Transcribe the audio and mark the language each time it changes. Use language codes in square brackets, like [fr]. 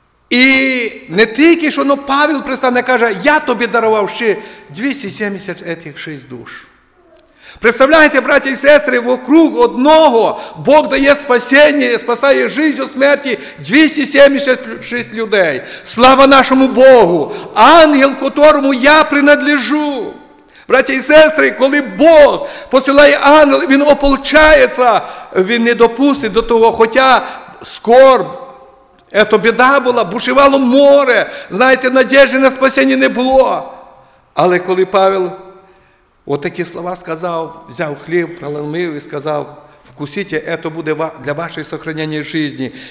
[uk] І не тільки, що Павел представник, каже, я тобі дарував ще 270 цих 6 душ. Представляєте, браті і сестри, вокруг одного Бог дає спасіння, спасає життя від смерті 276 людей. Слава нашому Богу! [ru] Ангел, которому я принадлежу! [uk] Браті і сестри, коли Бог посилає ангел, він ополчається, він не допустить до того, хоча скорб, ето біда була, бушувало море, знаєте, надіжди на спасіння не було. Але коли Павел от такі слова сказав, взяв хліб, проломив і сказав, вкусіть, це буде для вашого сохранення життя.